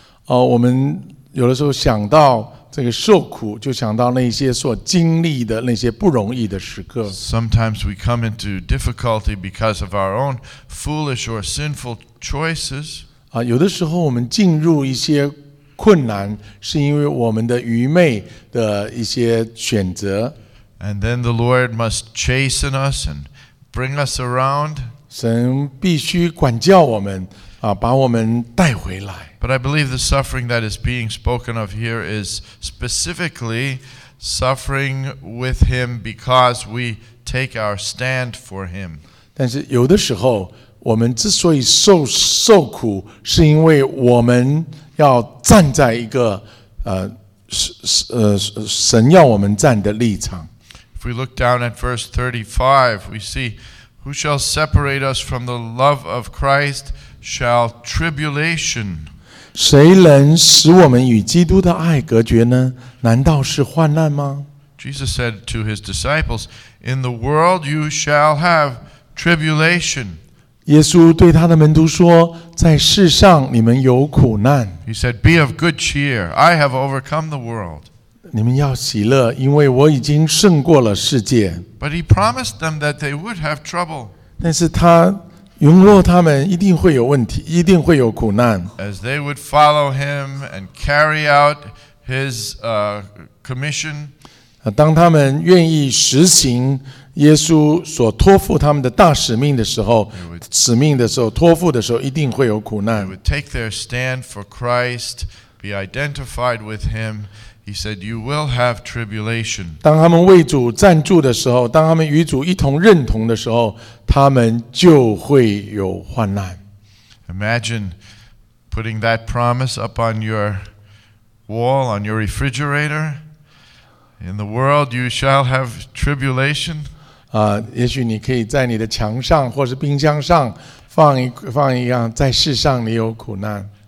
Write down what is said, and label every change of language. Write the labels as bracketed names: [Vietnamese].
[Chinese] 我们有的时候想到这个受苦，就想到那些所经历的那些不容易的时刻。 [English] Sometimes we come into difficulty because of our own foolish or sinful choices. [Chinese] 有的时候我们进入一些困难，是因为我们的愚昧的一些选择。 [English] And then the Lord must chasten us and bring us around. [Chinese] 神必须管教我们，把我们带回来。 [English] But I believe the suffering that is being spoken of here is specifically suffering with Him because we take our stand for Him. [Chinese] 但是有的时候我们之所以受苦，是因为我们要站在一个神要我们站的立场。 [English] If we look down at verse 35, we see, who shall separate us from the love of Christ? Shall tribulation? [Chinese] 谁能使我们与基督的爱隔绝呢？难道是患难吗？ [English] Jesus said to his disciples, "In the world you shall have tribulation." [Chinese] 耶稣对他的门徒说，在世上你们有苦难。 [English] He said, "Be of good cheer. I have overcome the world." [Chinese] 你们要喜乐，因为我已经胜过了世界。 [English] But he promised them that they would have trouble. [Chinese] 但是他允诺他们一定会有问题，一定会有苦难。 [English] As they would follow him and carry out his commission. [Chinese] 当他们愿意实行耶稣所托付他们的大使命的时候，使命的时候，托付的时候，一定会有苦难。 [English] They would take their stand for Christ, be identified with Him. He said, "You will have tribulation." [Chinese] 当他们为主站住的时候，当他们与主一同认同的时候，他们就会有患难。 [English] Imagine putting that promise up on your wall, on your refrigerator. In the world, you shall have tribulation. [Chinese] 也许你可以在你的墙上或是冰箱上放一样，在世上你有苦难。